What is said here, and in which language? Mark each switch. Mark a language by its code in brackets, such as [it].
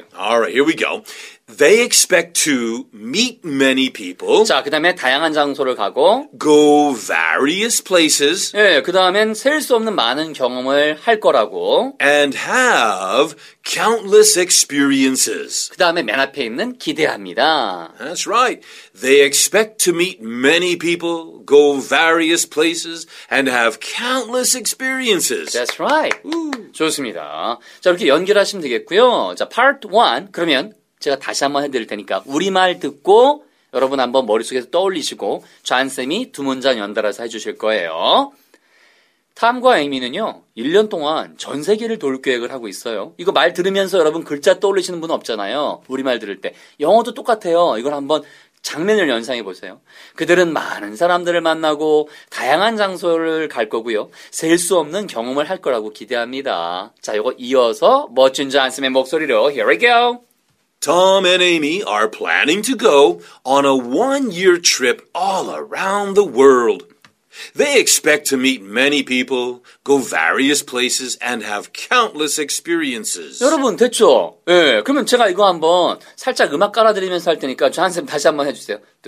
[en] Alright, here we go. They expect to meet many people. [ko] 자, 그 다음에 다양한 장소를 가고. [en] Go various places. [ko] 예, 그 다음엔 셀 수 없는 많은 경험을 할 거라고. [en] And have countless experiences. [ko] 그 다음에 맨 앞에 있는 기대합니다. [en] That's right. They expect to meet many people, go various places, and have countless experiences. That's right. Ooh. [ko] 좋습니다. 자, 이렇게 연결하시면 되겠고요. 자, part 1. 그러면 제가 다시 한번 해드릴 테니까 우리말 듣고 여러분 한번 머릿속에서 떠올리시고 잔쌤이 두 문장 연달아서 해주실 거예요. 탐과 에이미는요, 1년 동안 전 세계를 돌 계획을 하고 있어요. 이거 말 들으면서 여러분 글자 떠올리시는 분 없잖아요. 우리말 들을 때. 영어도 똑같아요. 이걸 한번 장면을 연상해 보세요. 그들은 많은 사람들을 만나고 다양한 장소를 갈 거고요. 셀 수 없는 경험을 할 거라고 기대합니다. 자, 이거 이어서 멋진 잔쌤의 목소리로 [en] Here we go! Tom and Amy are planning to go on a one-year trip all around the world. They expect to meet many people, go various places, and have countless experiences. [ko] 여러분, 됐죠? 예, 그러면 제가 이거 한번 살짝 음악 깔아드리면서 할 테니까 저한테 다시 한번 해주세요.